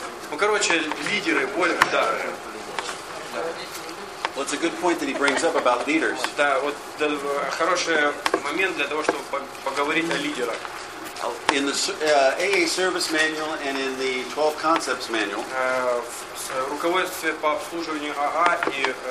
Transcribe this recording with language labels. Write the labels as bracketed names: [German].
[Russian] Ну, короче, лидеры, более, да. [English] Well, it's a good point that he brings up about leaders. [Russian] Да, вот хороший момент для того, чтобы поговорить о лидерах. [English] In the AA service manual and in the 12 concepts manual. [Russian] Руководстве по обслуживанию АА и